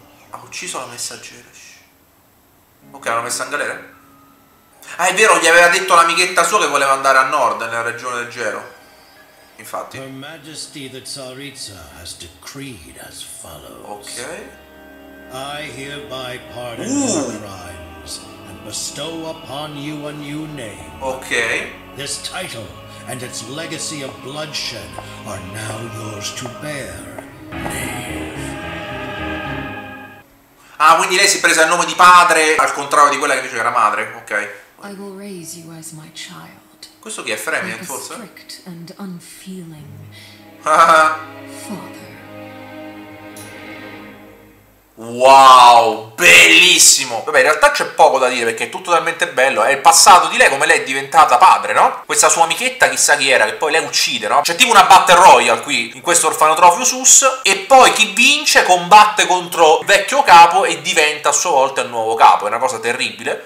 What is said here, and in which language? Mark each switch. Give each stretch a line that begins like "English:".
Italian: Ha ucciso la messaggera. Ok, l'hanno messa in galera. Ah, è vero, gli aveva detto l'amichetta sua che voleva andare a nord, nella regione del gelo. Infatti.
English: Her Majesty the Tsaritsa has decreed as follows. Ok. I hereby pardon your crimes and bestow upon you a new name. Ok. This title and its legacy of bloodshed are now yours to bear.
Italian: Ah, quindi lei si è presa il nome di padre, al contrario di quella che invece era madre, ok.
English: I will raise you as my child.
Italian: Questo chi è, Fremien, forse?
English: Like a strict and unfeeling father.
Italian: Wow, bellissimo. Vabbè, in realtà c'è poco da dire perché è tutto talmente bello. È il passato di lei, come lei è diventata padre, no? Questa sua amichetta, chissà chi era, che poi lei uccide, no? C'è tipo una battle royale qui, in questo orfanotrofio sus. E poi chi vince combatte contro il vecchio capo e diventa a sua volta il nuovo capo. È una cosa terribile.